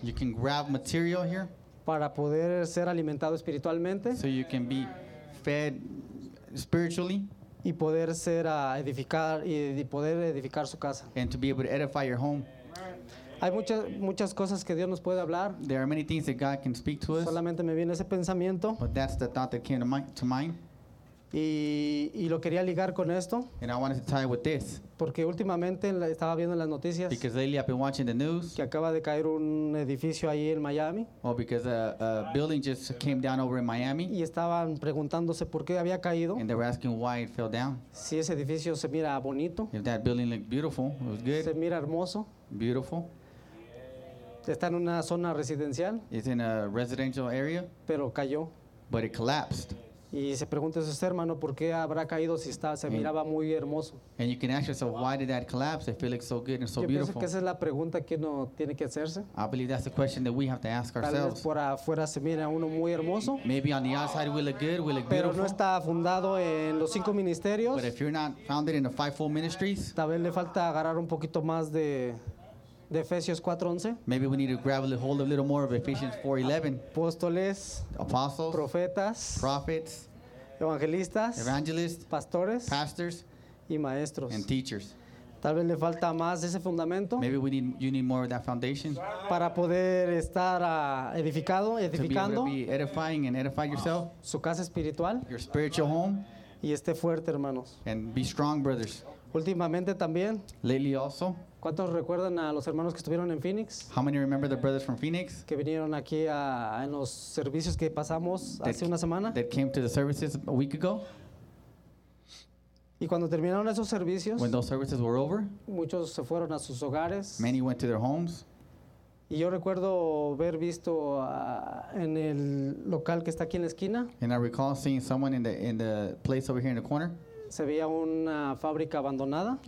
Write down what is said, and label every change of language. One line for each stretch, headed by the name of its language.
English: You can grab material here.
Spanish: Para poder ser alimentado espiritualmente.
English: So you can be fed spiritually.
Spanish: y poder ser edificar y poder edificar su casa.
English: And to be able to edify your home.
Spanish: Hay muchas cosas que Dios nos puede hablar.
English: There are many things that God can speak to us.
Spanish: Solamente me viene ese pensamiento.
English: But that's the thought that came to mind.
Spanish: Y lo quería ligar con esto.
English: And I wanted to tie it with this.
Spanish: Porque últimamente estaba viendo las noticias.
English: Because lately I've been watching the news.
Spanish: Que acaba de caer un edificio ahí en Miami.
English: Oh, because a building just came down over in Miami.
Spanish: Y estaban preguntándose por qué había caído.
English: And they were asking why it fell down.
Spanish: Si ese edificio se mira bonito.
English: If that building looked beautiful, it was good.
Spanish: Se mira hermoso.
English: Beautiful.
Spanish: Está en una zona residencial.
English: It's in a residential area.
Spanish: Pero cayó.
English: But it collapsed.
Spanish: Y se pregunta usted, hermano, ¿por qué habrá caído si se miraba muy hermoso?
English: And you can ask yourself, why did that collapse? If it looks so good and so beautiful.
Spanish: Yo pienso que esa es la pregunta que uno tiene que hacerse.
English: I believe that's the question that we have to ask ourselves.
Spanish: Tal vez por afuera se mira uno muy hermoso.
English: Maybe on the outside we look good, we look beautiful.
Spanish: Pero no está fundado en los cinco ministerios.
English: But if you're not founded in the fivefold ministries.
Spanish: Tal vez le falta agarrar un poquito más de... De Efesios 4:11.
English: Maybe we need to grab a hold of a little more of Ephesians 4:11.
Spanish: Apóstoles,
English: apostles,
Spanish: profetas,
English: prophets,
Spanish: evangelistas,
English: evangelists,
Spanish: pastores,
English: pastors,
Spanish: y maestros,
English: and teachers.
Spanish: Tal vez le falta más ese fundamento.
English: Maybe you need more of that foundation.
Spanish: Para poder estar edificado, edificando.
English: To be able to be edifying and edify yourself.
Spanish: Su casa espiritual.
English: Your spiritual home.
Spanish: Y esté fuerte, hermanos.
English: And be strong, brothers.
Spanish: Últimamente también.
English: Lately also.
Spanish: ¿Cuántos recuerdan a los hermanos que estuvieron en Phoenix?
English: How many remember the brothers from Phoenix?
Spanish: Que vinieron aquí en los servicios que pasamos hace una semana.
English: That came to the services a week ago.
Spanish: Y cuando terminaron esos servicios.
English: When those services were over.
Spanish: Muchos se fueron a sus hogares.
English: Many went to their homes.
Spanish: Y yo recuerdo haber visto en el local que está aquí en la esquina.
English: And I recall seeing someone in the place over here in the corner.
Spanish: Se veía una fábrica abandonada.